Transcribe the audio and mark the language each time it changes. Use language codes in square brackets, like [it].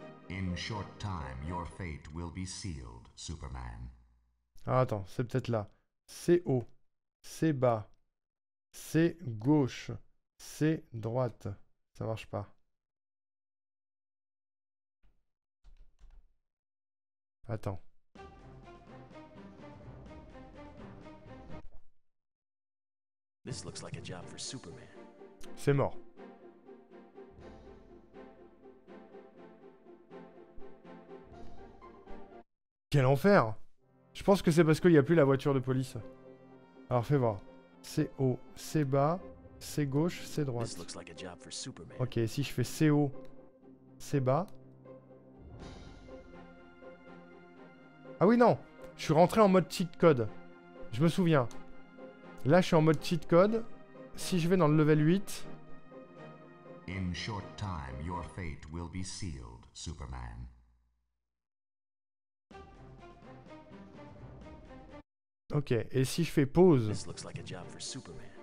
[en] In short time, your fate will be sealed, Superman. [fr] Ah, attends, c'est peut-être là. C'est haut, c'est bas, c'est gauche, c'est droite. Ça marche pas. Attends. [en] This looks like a job for Superman. [fr] C'est mort. Quel enfer! Je pense que c'est parce qu'il n'y a plus la voiture de police. Alors fais voir. C'est haut, c'est bas, c'est gauche, c'est droite. Ok, si je fais c'est haut, c'est bas. Ah oui, non! Je suis rentré en mode cheat code. Je me souviens. Là, je suis en mode cheat code. si je vais dans le level 8. [en] In short time, your fate will be sealed, Superman. [fr] Ok, et si je fais pause, [en] this looks like a job for Superman.